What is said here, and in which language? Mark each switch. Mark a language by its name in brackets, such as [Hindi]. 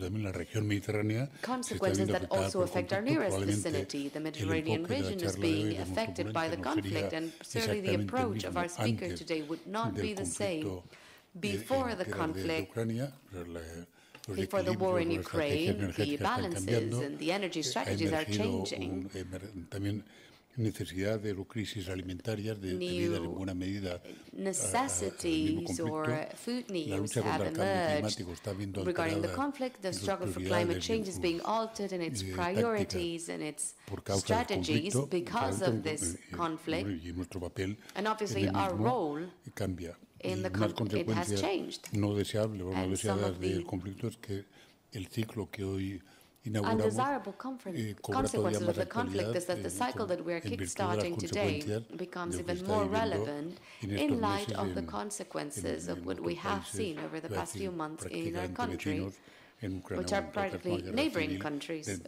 [Spanish] También la región mediterránea se está viendo afectada por conflicto. Probablemente el enfoque de la charla de hoy de nuestro ponente no sería exactamente el mismo antes del conflicto en la guerra de Ucrania. [English] Before the war in Ukraine, the balances and the energy strategies are changing. [Spanish] También necesidades o crisis alimentarias debidas en buena medida [English] necessities or food needs have emerged regarding the conflict. The struggle for climate change is being altered in its priorities and its strategies because of this conflict. And obviously our role in the conflict has changed. [Spanish] No deseable, no deseadas del conflicto es que el ciclo que hoy [English] undesirable consequences of the conflict is that the cycle that we are kickstarting today becomes even more relevant in light of the consequences of what we have seen over the past few months in our country, which are practically neighboring countries.